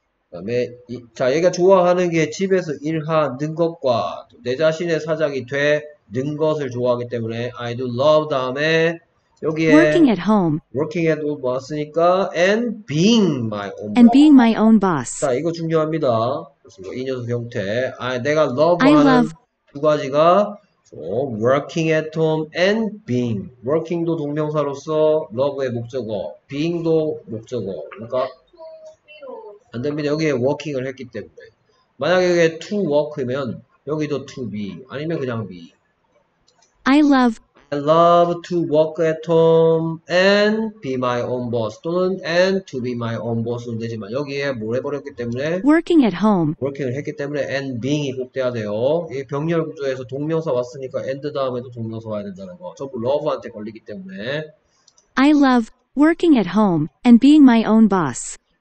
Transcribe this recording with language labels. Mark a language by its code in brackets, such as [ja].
[ko] 그다음에 자 얘가 좋아하는 게 집에서 일하는 것과 내 자신의 사장이 되는 것을 좋아하기 때문에 [en] I do love. [ko] 다음에 여기에 [en] working at home. Working at home [ko] 왔으니까 [en] and being my own. And being my own boss. [ko] 자 이거 중요합니다. 그래서 이 녀석 형태. 아, 내가 love하는 두 가지가 [en] working at home and being. [ko] working도 동명사로서 love의 목적어, being도 목적어. 그러니까 안 됩니다. 여기에 working을 했기 때문에. 만약에 이게 to work이면 여기도 to be 아니면 그냥 be. [en] I love to work at home and be my own boss [ko] 또는 [en] and to be my own boss는 [ko] 되지만 여기에 뭘 해버렸기 때문에 [en] working at home [ko] working을 했기 때문에 and being이 꼭 돼야 돼요. 이 병렬 구조에서 동명사 왔으니까 and 다음에도 동명사 와야 된다는 거 전부 love한테 걸리기 때문에 [en] I love working at home and being my own boss